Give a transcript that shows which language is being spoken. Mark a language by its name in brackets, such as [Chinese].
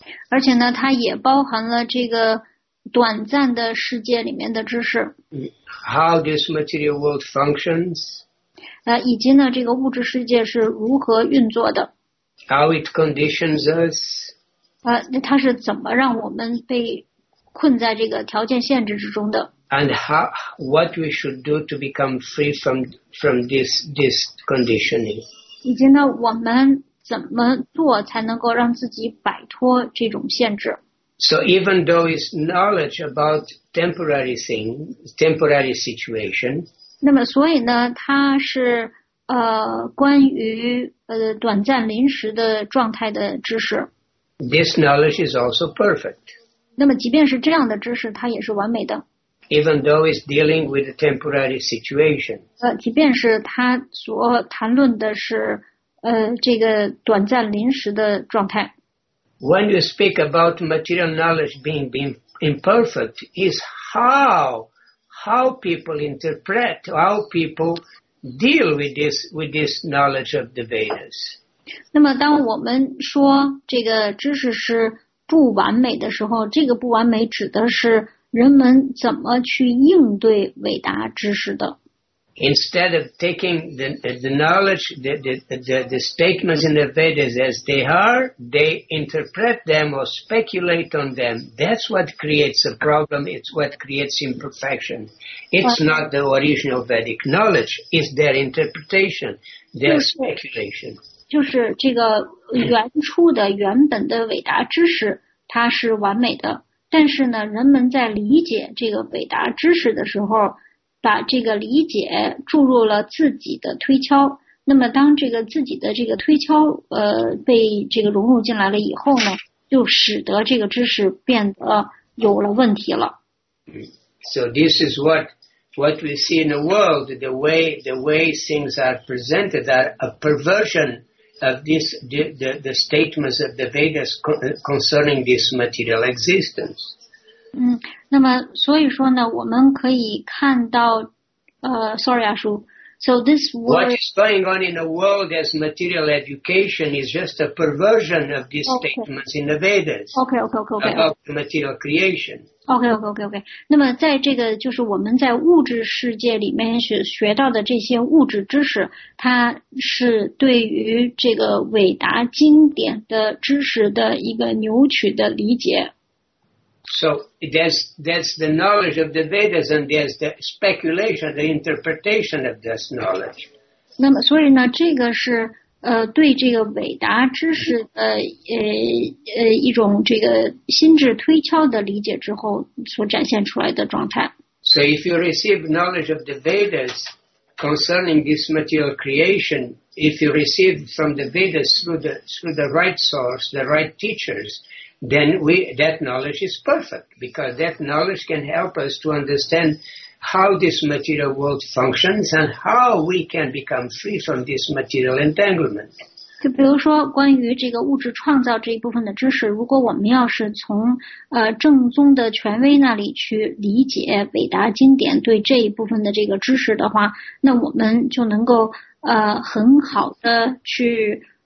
[Chinese] 而且呢，它也包含了这个短暂的世界里面的知识。 [English] How this material world functions. [Chinese] 以及呢，这个物质世界是如何运作的。 [English] How it conditions us. [Chinese] 它是怎么让我们被困在这个条件限制之中的。 [English] And how, what we should do to become free from this conditioning. [Chinese] 以及呢，我们怎么做才能够让自己摆脱这种限制。 [English] So even though it's knowledge about temporary thing, temporary situation. [Chinese] 那么所以呢，它是关于短暂临时的状态的知识。 [English] This knowledge is also perfect. [Chinese] 那么即便是这样的知识，它也是完美的。 [English] Even though it's dealing with a temporary situation. [Chinese] 即便是它所谈论的是这个短暂临时的状态。 [English] When you speak about material knowledge being imperfect, is how people interpret, how people deal with this knowledge of the Vedas. [Chinese] 那么当我们说这个知识是不完美的时候，这个不完美指的是人们怎么去应对伟达知识的。 [English] Instead of taking the knowledge, the statements in the Vedas as they are, they interpret them or speculate on them. That's what creates a problem. It's what creates imperfection. It's not the original Vedic knowledge. It's their interpretation, their speculation. [Chinese] 就是这个原初的原本的伟达知识它是完美的，但是呢，人们在理解这个伟达知识的时候把这个理解注入了自己的推敲，那么当这个自己的这个推敲被这个融入进来了以后呢，就使得这个知识变得有了问题了。 [English] So this is what we see in the world, the way things are presented are a perversion of this, the statements of the Vedas concerning this material existence. [Chinese] 那么所以说呢，我们可以看到 [English] sorry, [Chinese] 阿叔。 [English] So this world, what is going on in the world as material education is just a perversion of these statements in the Vedas. Okay. About the material creation. Okay. [Chinese] 那么在这个就是我们在物质世界里面学到的这些物质知识，它是对于这个伟达经典的知识的一个扭曲的理解。 [English] So that's the knowledge of the Vedas, and there's the speculation, the interpretation of this knowledge. [Chinese] 那么所以呢，这个是对这个伟达知识的一种这个心智推敲的理解之后所展现出来的状态。 [English] So if you receive knowledge of the Vedas concerning this material creation, if you receive from the Vedas through the right source, the right teachers, then that knowledge is perfect, because that knowledge can help us to understand how this material world functions and how we can become free from this material entanglement. [Chinese] 就比如说关于这个物质创造这一部分的知识，如果我们要是从正宗的权威那里去理解伟达经典对这一部分的这个知识的话，那我们就能够很好的去